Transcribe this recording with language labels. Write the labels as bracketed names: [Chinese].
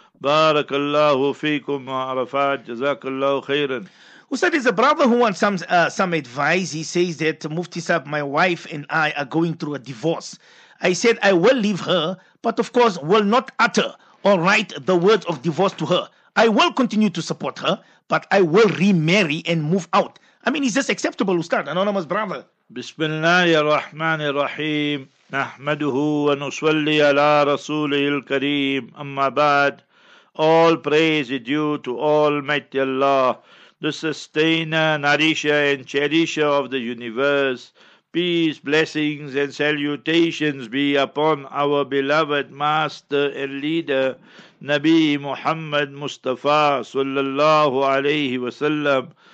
[Arabic] بارك الله فيكم وعرفات جزاك الله خيرا. [English] Ustad, is a brother who wants some advice. He says that Mufti Saab, my wife and I are going through a divorce. I said I will leave her, but of course will not utter or write the words of divorce to her. I will continue to support her, but I will remarry and move out. I mean, is this acceptable, Ustad, anonymous brother? [Arabic] بسم الله الرحمن الرحيم نحمده ونصلي على رسوله الكريم أما بعد. [English] All praise is due to Almighty Allah, the sustainer, nourisher, and cherisher of the universe. Peace, blessings, and salutations be upon our beloved master and leader, Nabi Muhammad Mustafa sallallahu alayhi wa sallam.